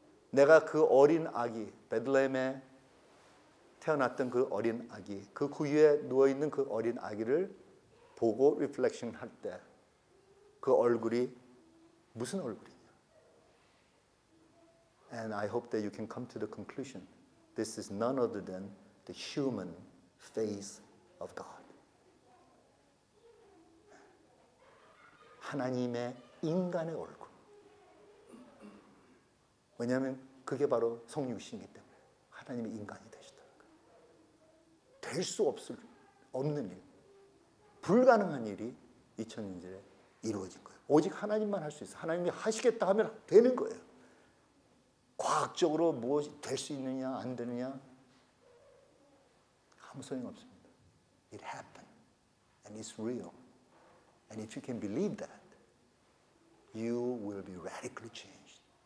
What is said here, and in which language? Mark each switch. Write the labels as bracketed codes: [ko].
[ko] 내가 그 어린 아기, 베들레헴에 태어났던 그 어린 아기, 그 구유에 누워있는 그 어린 아기를 보고 리플렉션 할 때 그 얼굴이 무슨 얼굴이냐? [en] And I hope that you can come to the conclusion. This is none other than the human face of God. [ko] 하나님의 인간의 얼굴. 왜냐하면 그게 바로 성육신이기 때문에 하나님의 인간이 되시다는 거예요. 될 수 없는 일, 불가능한 일이 2000년 전에 이루어진 거예요. 오직 하나님만 할 수 있어요. 하나님이 하시겠다 하면 되는 거예요. 과학적으로 무엇이 될 수 있느냐 안 되느냐 아무 소용없습니다. [en] It happened and it's real. And if you can believe that, you will be radically changed.